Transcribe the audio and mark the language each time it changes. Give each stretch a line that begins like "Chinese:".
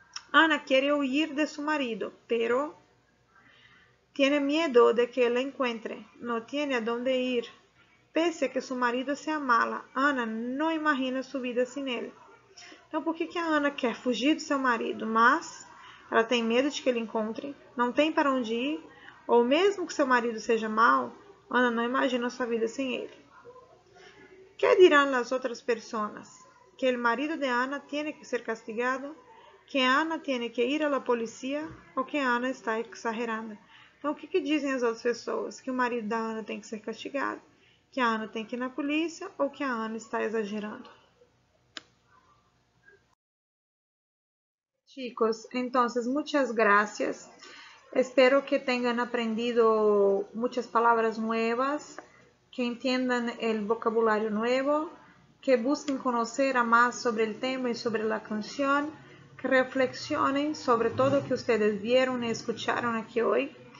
Spanish: Ana quiere huir de su marido, pero tiene miedo de que la encuentre. No tiene a dónde ir. Pese a que su marido sea malo, Ana no imagina su vida sin él.
Portuguese: Então, por que que a Ana quer fugir do seu marido? Mas ela tem medo de que ele encontre, não tem para onde ir, ou mesmo que seu marido seja mau, Ana não imagina sua vida sem ele. Que dirão as outras pessoas? Que o marido de Ana tiene que ser castigado? Que Ana tiene que ir à polícia? Ou que Ana está exagerando? Então, o que que dizem as outras pessoas? Que o marido da Ana tem que ser castigado? Que a Ana tem que ir na polícia? Ou que a Ana está exagerando?
Spanish: Chicos, entonces muchas gracias. Espero que tengan aprendido muchas palabras nuevas, que entiendan el vocabulario nuevo, que busquen conocer a más sobre el tema y sobre la canción, que reflexionen sobre todo lo que ustedes vieron y escucharon aquí hoy.